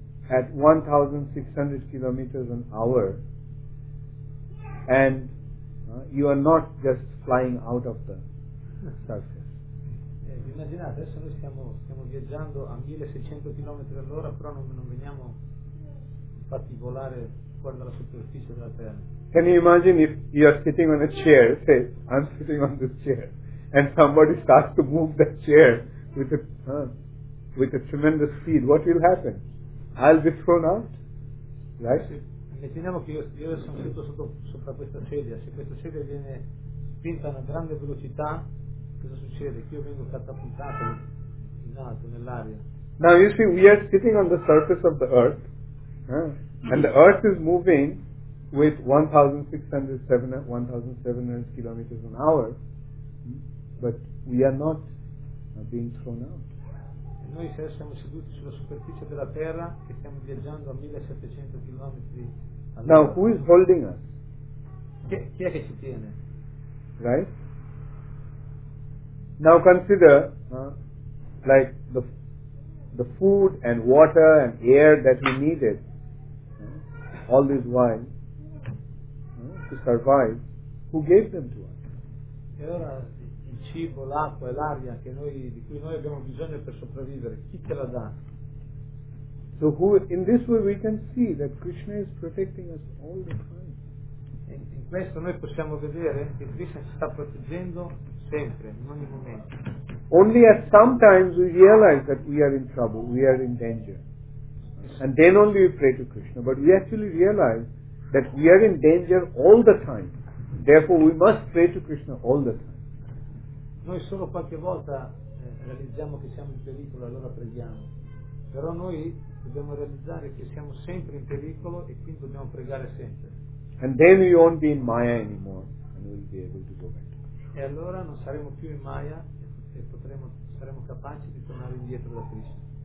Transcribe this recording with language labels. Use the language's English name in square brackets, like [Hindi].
[English] At 1,600 kilometers an hour, and you are not just flying out of the surface. [Italian] Immaginate, adesso noi stiamo viaggiando a 1,600 chilometri all'ora, però non veniamo fatti volare fuori dalla superficie della Terra. [English] Can you imagine if you are sitting on a chair? Say, I'm sitting on this chair, and somebody starts to move that chair with a tremendous speed. What will happen? I'll be thrown out, right? [Italian] Immaginiamo che io sono seduto sopra questa sedia. Se questa sedia viene spinta a una grande velocità, cosa succede? Che io vengo catapultato in alto, nell'aria. [English] Now you see, we are sitting on the surface of the Earth, and the Earth is moving with 1,700 kilometers an hour, but we are not being thrown out. [Italian] Noi siamo seduti sulla superficie della Terra e stiamo viaggiando a 1,700 km all'ora. [English] Now, who is holding us? [Italian] Chi è che ci tiene? [English] Right? Now consider, like the food and water and air that we needed all this while to survive, who gave them to us? [Italian] E ora, cibo, l'acqua e l'aria che di cui noi abbiamo bisogno per sopravvivere, chi te la dà? [English] So who, in this way we can see that Krishna is protecting us all the time. [Italian] In questo noi possiamo vedere che Krishna ci sta proteggendo sempre, in ogni momento. [English] Only at some times we realize that we are in trouble, we are in danger. And then only we pray to Krishna. But we actually realize that we are in danger all the time. Therefore we must pray to Krishna all the time. [Italian] Noi solo qualche volta realizziamo che siamo in pericolo e allora preghiamo. Però noi dobbiamo realizzare che siamo sempre in pericolo e quindi dobbiamo pregare sempre. [English] And then we won't be in Maya anymore and we'll be able to go back. [Italian] E allora non saremo più in Maya e saremo capaci di tornare indietro da Krishna.